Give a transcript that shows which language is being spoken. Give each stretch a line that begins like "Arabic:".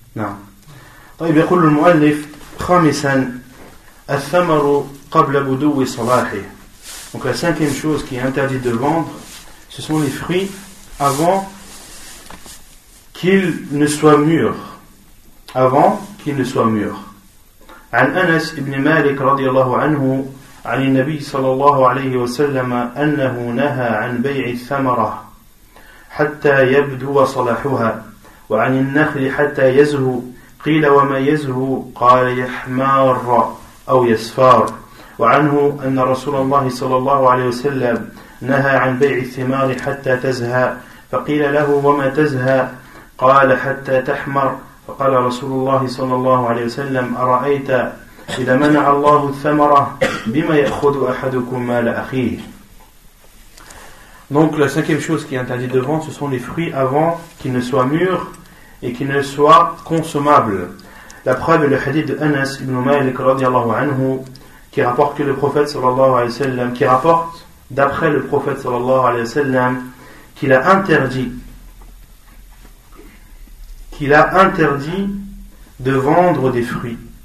French: Non. Donc, il y a le mot « al-lif » « khamisan » «
Arabic: Al-thamaru qabla budu'i salahih.
French: Donc la cinquième chose qui est interdite de vendre, ce sont les fruits avant qu'ils ne soient mûrs. Avant qu'ils ne soient mûrs.
Arabic: An Anas ibn Malik radiallahu anhu, عن النبي صلى الله عليه وسلم أنه نهى عن بيع الثمرة حتى يبدو صلاحها وعن النخل حتى يزهو قيل وما يزهو قال يحمار أو يسفار وعنه أن رسول الله صلى الله عليه وسلم نهى عن بيع الثمار حتى تزهى فقيل له وما تزهى قال حتى تحمر فقال رسول الله صلى الله عليه وسلم أرأيت إذا منع الله الثمرة بما يأخذ أحدكم مال أخيه.
French: Donc la cinquième chose qui est interdite de vendre, ce sont les fruits avant qu'ils ne soient mûrs et qu'ils ne soient consommables. La preuve est le hadith de Anas ibn Malik radiallahu anhu qui rapporte que le prophète sallallahu alayhi wa sallam qui rapporte d'après le prophète sallallahu alayhi wa sallam qu'il a interdit de vendre des fruits.